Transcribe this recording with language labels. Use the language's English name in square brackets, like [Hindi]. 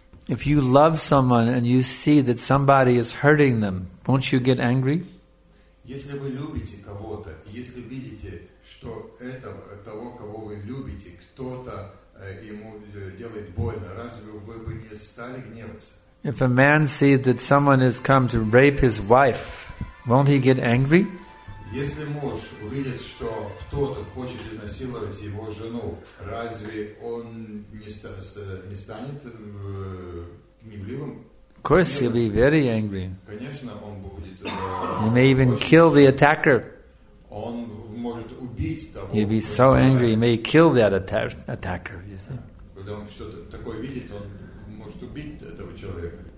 [English] If you love someone and you see that somebody is hurting them, won't you get angry? [Russian] Если вы любите кого-то, если видите, что того, кого вы любите, кто-то ему делает больно, разве вы бы не стали гневаться? [English] If a man sees that someone has come to rape his wife, won't he get angry? [Russian] Если муж увидит, что кто-то хочет изнасиловать его жену, разве он не станет гневливым? [English] Of course, he'll be very angry. [Russian] Конечно, он будет. [English] He may even kill the attacker. [Russian] Он может убить того. [English] He'll be so angry. He may kill that attacker. You see. [Russian] Когда он что-то такое видит, он может убить этого человека.